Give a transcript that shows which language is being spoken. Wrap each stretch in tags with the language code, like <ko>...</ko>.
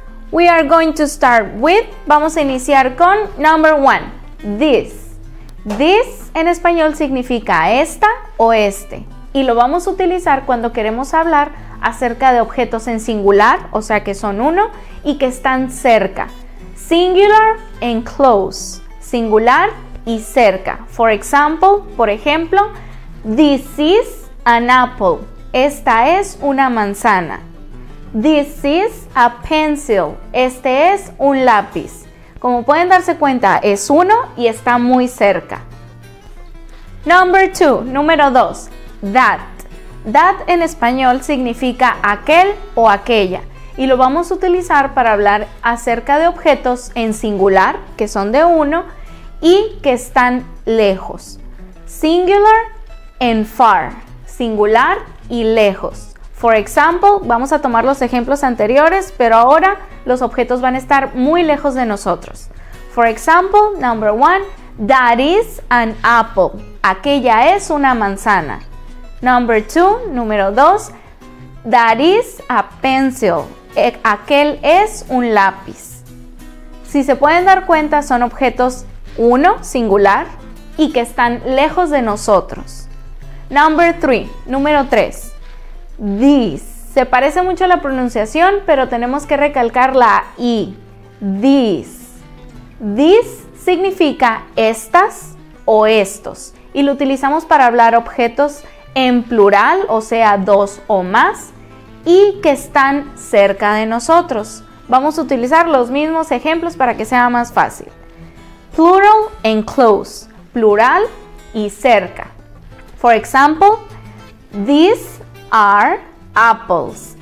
<en>We are going to start with,</en> <es>vamos a iniciar con</es> <en>number one, this.</en> <es>This en español significa esta o este. Y lo vamos a utilizar cuando queremos hablar acerca de objetos en singular, o sea que son uno, y que están cerca.</es> <en>Singular and close.</en> <es>Singular y cerca.</es> <en>For example,</en> <es>por ejemplo,</es> <en>this is an apple.</en> <es>Esta es una manzana.</es> <en>This is a pencil.</en> <es>Este es un lápiz. Como pueden darse cuenta, es uno y está muy cerca.</es> <en>Number two,</en> <es>número dos. That. That en español significa aquel o aquella. Y lo vamos a utilizar para hablar acerca de objetos en singular, que son de uno, y que están lejos.</es> <en>Singular and far.</en> <es>Singular y lejos.</es> <en>For example,</en> <es>vamos a tomar los ejemplos anteriores, pero ahora los objetos van a estar muy lejos de nosotros.</es> <en>For example, number one, that is an apple.</en> <es>Aquella es una manzana.</es> <en>Number two,</en> <es>número dos,</es> <en>that is a pencil.</en> <es>Aquel es un lápiz. Si se pueden dar cuenta, son objetos uno, singular, y que están lejos de nosotros.</es> <en>Number three,</en> <es>número tres,</es> <en>this.</en> <es>Se parece mucho a la pronunciación, pero tenemos que recalcar la I. This. This significa estas o estos. Y lo utilizamos para hablar objetos en plural, o sea, dos o más, y que están cerca de nosotros. Vamos a utilizar los mismos ejemplos para que sea más fácil.</es> <en>Plural and close.</en> <es>Plural y cerca.</es> <en>For example, this are apples.</en>